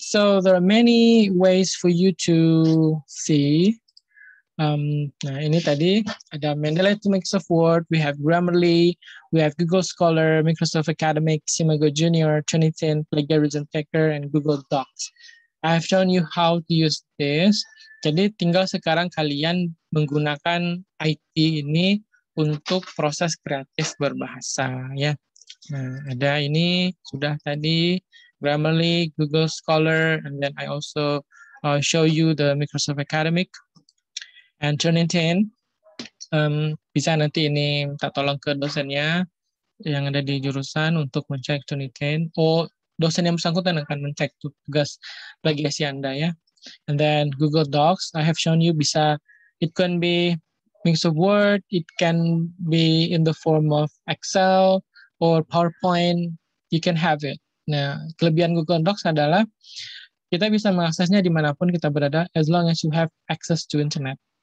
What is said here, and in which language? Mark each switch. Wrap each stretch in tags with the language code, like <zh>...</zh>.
<en>So there are many ways for you to see.</en> <id>Nah ini tadi ada</id> <en>Mendeley to Microsoft Word, we have Grammarly, we have Google Scholar, Microsoft Academic, Simago Junior, Turnitin, Plagiarism Checker, and Google Docs. I have shown you how to use this.</en> <id>Jadi tinggal sekarang kalian menggunakan IT ini untuk proses kreatif berbahasa ya. Nah ada ini sudah tadi</id> <en>Grammarly, Google Scholar, and then I also show you the Microsoft Academic.</en> <id>And Turnitin, bisa nanti ini minta tolong ke dosennya yang ada di jurusan untuk mencek Turnitin. Oh, dosen yang bersangkutan akan mencek tugas plagiasi Anda ya.</id> <en>And then Google Docs, I have shown you bisa, it can be mix of Word, it can be in the form of Excel or PowerPoint, you can have it.</en> <id>Nah, kelebihan Google Docs adalah kita bisa mengaksesnya dimanapun kita berada</id> <en>as long as you have access to internet.</en>